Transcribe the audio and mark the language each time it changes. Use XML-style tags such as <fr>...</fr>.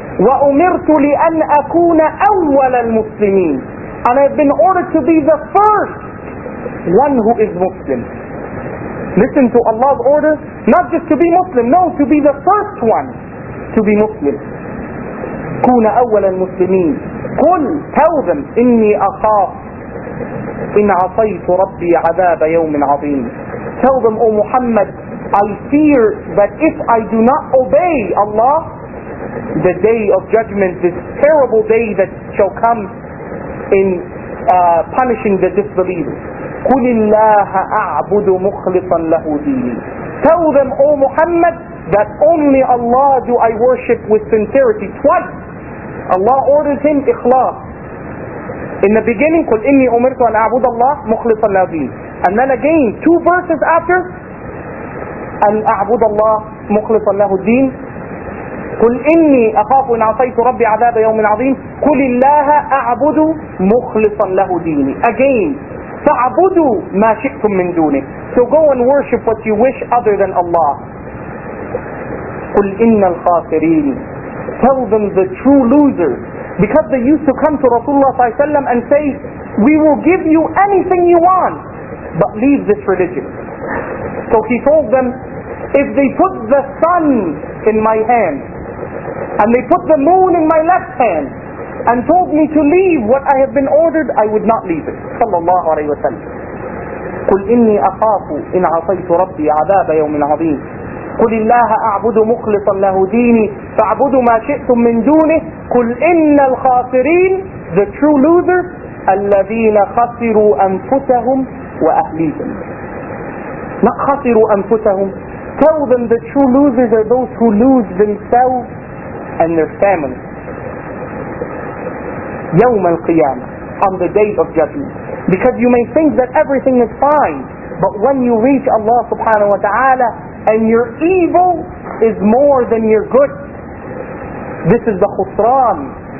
<ar>وَأُمِرْتُ لِأَنْ أَكُونَ أَوَّلَ الْمُسْلِمِينَ</ar> <en>And I have been ordered to be the first one who is Muslim. listen to Allah's order, not just to be Muslim, no, to be the first one to be Muslim.</en> <ar>كون أول المسلمين. قل,</ar> <en>tell them,</en> <ar>إني أخاف إن عصيت ربي عذاب يوم عظيم.</ar> <en>Tell them, O Muhammad, I fear that if I do not obey Allah, the day of judgment, this terrible day that shall come in punishing the disbelievers.</en> <ar>قل الله أعبد مخلصا له ديني.</ar> <en>Tell them, O Muhammad, that only Allah do I worship with sincerity. Twice Allah orders him ikhlas. In the beginning,</en> <ar>قل إني أمرت أن أعبد الله مخلصا له ديني.</ar> <en>And then again, two verses after,</en> <ar>أن أعبد الله مخلصا له الدين. قل إني أخاف إن عصيت ربي عذاب يوم عظيم. قل الله أعبد مخلصا له ديني. Again, فعبدوا ما شئتم من دونه.</ar> <en>So go and worship what you wish other than Allah.</en> <ar>قل إن الخاسرين.</ar> <en>Tell them the true losers. Because they used to come to Rasulullah</en> <ar>صلى الله عليه وسلم</ar> <en>and say, we will give you anything you want, but leave this religion. So he told them, if they put the sun in my hand, and they put the moon in my left hand, and told me to leave what I have been ordered, I would not leave it.</en> <ar>صلى الله عليه وسلم. قل إني أخاف إن عصيت ربي عذاب يوم عظيم. قل الله أعبد مخلصا له ديني فاعبدوا ما شئتم من دونه. قل إن الخاسرين,</ar> <en>the true losers,</en> <ar>الذين خسروا أنفسهم وأهليهم. Not خسروا أنفسهم.</ar> <en>Tell them the true losers are those who lose themselves and their family.</en> <ar>يوم القيامة,</ar> <en>on the day of judgment. Because you may think that everything is fine, but when you reach Allah subhanahu wa ta'ala and your evil is more than your good, this is the khusran.</en>